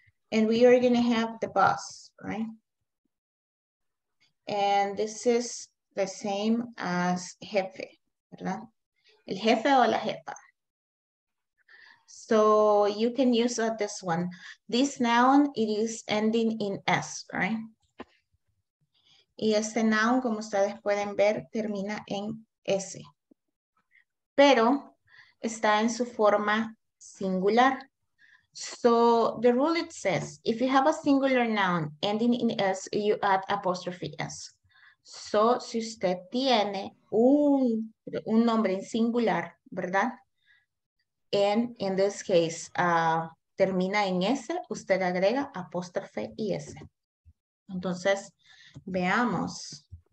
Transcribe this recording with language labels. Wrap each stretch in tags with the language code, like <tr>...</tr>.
<en>And we are gonna have the boss, right? And this is the same as jefe, ¿verdad?</en> <es>El jefe o la jefa.</es> <en>So you can use this one. This noun, it is ending in S, right?</en> <es>Y este noun, como ustedes pueden ver, termina en S. Pero está en su forma singular.</es> <en>So the rule it says, if you have a singular noun ending in S, you add apostrophe S.</en> <es>So si usted tiene un nombre en singular, ¿verdad?</es> <en>And in this case,</en> <es>termina en S, usted agrega apóstrofe y S. Entonces, veamos.</es>